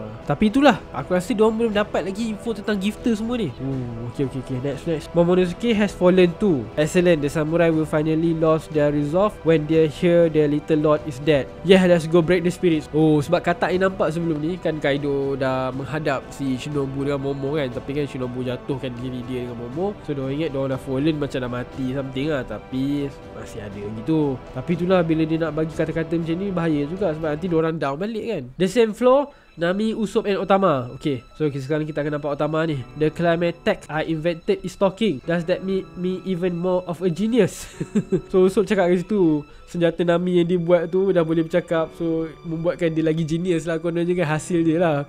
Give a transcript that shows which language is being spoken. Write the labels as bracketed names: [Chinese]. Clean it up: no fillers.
[Malay] Tapi itulah, aku rasa diorang belum dapat lagi info tentang gifter semua ni. [English] Okay. Next. Momonosuke has fallen too. Excellent. The samurai will finally lose their resolve when they hear their little lord is dead. Yeah, let's go break the spirits. [Malay] Oh, sebab katak ni nampak sebelum ni kan Kaido dah menghadap si Shinobu dengan Momo kan. Tapi kan Shinobu jatuhkan diri dia dengan Momo. So dia ingat dia dah fallen macam dah mati something lah, tapi masih ada gitu. Tapi itulah bila dia nak bagi kata-kata macam ni bahaya juga sebab nanti dia orang down balik kan. [English] The same floor, Nami, Usopp and Otama. Okay, so okay, [Malay] sekarang kita akan nampak Otama ni. [English] The climate tech I invented is talking. Does that make me even more of a genius? [Malay] So Usopp cakap kat situ, senjata Nami yang dia buat tu dah boleh bercakap. So membuatkan dia lagi genius lah kononnya kan, hasil dia lah.